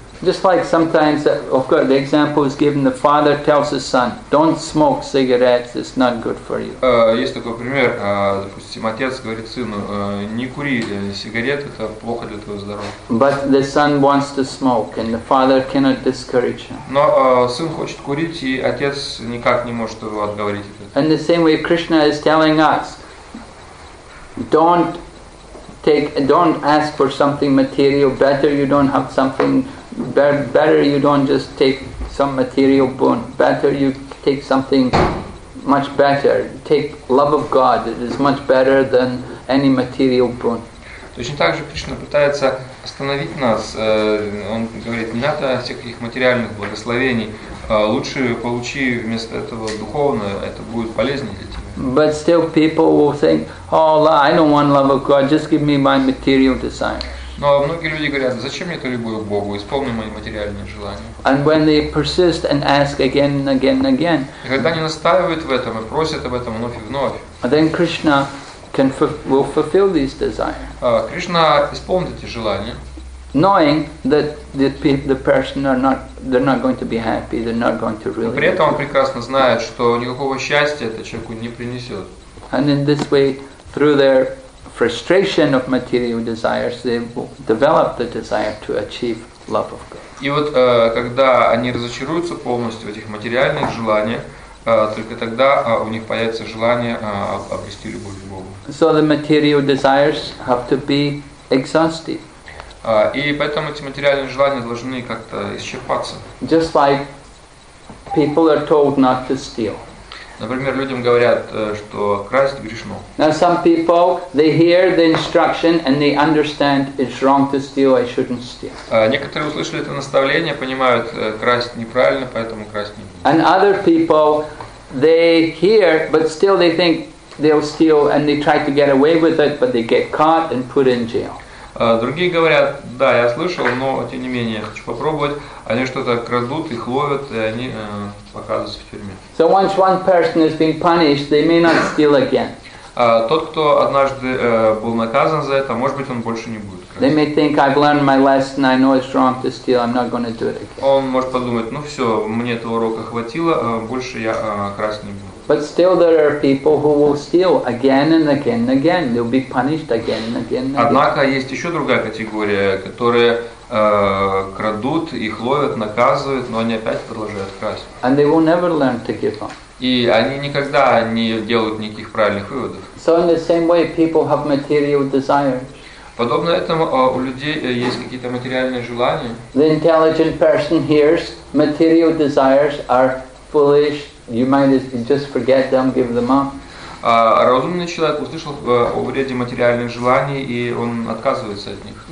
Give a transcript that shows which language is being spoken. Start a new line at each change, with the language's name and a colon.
English: Just like sometimes, of course, the example is given: the father tells his son, "Don't smoke cigarettes; it's not good for you."
Russian: Есть такой пример, допустим, отец говорит сыну: "Не кури сигарет; это плохо для твоего здоровья."
English: But the son wants to smoke, and the father cannot discourage him.
Russian: Но сын хочет курить, и отец никак не может его отговорить от этого.
English: In the same way, Krishna is telling us, don't ask for something material. Better you don't have something. Better you don't just take some material boon. Better you take something much better. Take love of God. It is much better than any material boon.
Russian: Точно так же Кришна пытается остановить нас. Он говорит, не надо всяких материальных благословений. Лучше получи вместо этого духовное, это будет полезнее для тебя.
English: But still people will think, oh, I don't want love of God, just give me my material desires.
Russian: Но многие люди говорят, зачем мне эту любовь к Богу, исполни мои материальные желания.
English: And when they persist and ask again and again and again,
Russian: и когда они настаивают в этом и просят об этом вновь и вновь,
English: then Krishna can will fulfill these desires.
Russian: Кришна исполнит эти желания.
English: Knowing that the person are not, they're not going to be happy, they're not going to really.
Russian: Но при этом он прекрасно знает, что никакого счастья это человеку не принесет.
English: And in this way, through their frustration of material desires, they develop the desire to achieve love of God.
Russian: И вот когда они разочаруются полностью в этих материальных желаниях, только тогда у них появится желание обрести любовь к Богу.
English: So the material desires have to be exhausted.
Russian: И поэтому эти материальные желания должны как-то исчерпаться.
English: Just like people are told not to steal.
Russian: Например, людям говорят, что красть грешно.
English: Now some people, they hear the instruction and they understand it's wrong to steal, I shouldn't steal.
Russian: Некоторые услышали это наставление, понимают, красть неправильно, поэтому красть не
English: And other people, they hear, but still they think they'll steal and they try to get away with it, but they get caught and put in jail.
Russian: Другие говорят, да, я слышал, но тем не менее, я хочу попробовать. Они что-то крадут, их ловят, и они оказываются в тюрьме.
English: So once one person has been punished, they may not steal again.
Russian: Тот, кто однажды был наказан за это, может быть, он больше не будет красть.
English: They may think, I've learned my lesson, I know it's wrong to steal, I'm not going to do it again.
Russian: Он может подумать, ну все, мне этого урока хватило, больше я красть не буду.
English: But still there are people who will steal again and again and again. They'll be punished again and again and again.
Russian: Однако есть еще другая категория, которые крадут, их ловят, наказывают, но они опять продолжают красть.
English: And they will never learn to give up.
Russian: И они никогда не делают никаких правильных выводов.
English: So in the same way, people have material desires.
Russian: Подобно этому, у людей есть какие-то материальные желания.
English: The intelligent person hears material desires are foolish. You might just forget them, give them up.
Russian: Разумный человек услышал о вреде материальных желаний и он отказывается от них.